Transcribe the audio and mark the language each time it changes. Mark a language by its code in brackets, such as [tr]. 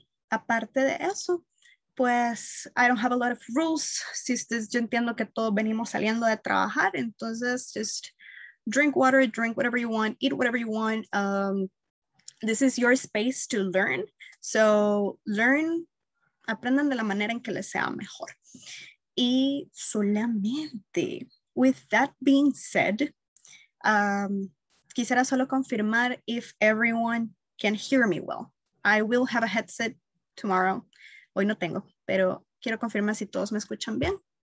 [es] Aparte de eso, pues [en] I don't have a lot of rules. [es] Si ustedes, yo entiendo que todos venimos saliendo de trabajar, entonces [en] just drink water, drink whatever you want, [es] eat whatever you want. [en] This is your space to learn. So learn. [es] Aprendan de la manera en que les sea mejor. Y solamente, [en] with that being said, [es] quisiera solo confirmar [en] if everyone can hear me well. I will have a headset tomorrow. [es] Hoy no tengo, pero quiero confirmar si todos me escuchan bien.